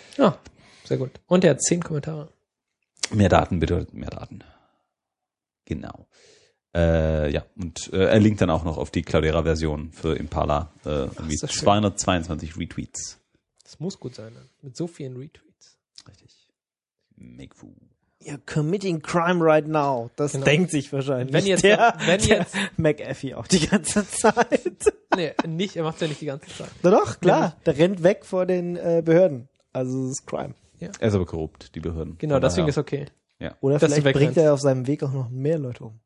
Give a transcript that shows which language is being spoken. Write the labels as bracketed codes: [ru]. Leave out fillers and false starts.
[de] Ja, sehr gut. Und er hat 10 Kommentare. Mehr Daten bedeutet mehr Daten. Genau. Er linkt dann auch noch auf die Cloudera-Version für Impala. Irgendwie 222 Retweets. Das muss gut sein, mit so vielen Retweets. Richtig. [en] Make food. You're committing crime right now. [de] Das genau. Denkt sich wahrscheinlich. Wenn jetzt, McAfee auch die ganze Zeit. Nee, nicht, er macht's ja nicht die ganze Zeit. Na doch, klar. Ja, der rennt weg vor den Behörden. Also, es ist Crime. Ja. Er ist aber korrupt, die Behörden. Genau, deswegen ist okay. Ja. Oder dass vielleicht bringt er auf seinem Weg auch noch mehr Leute um.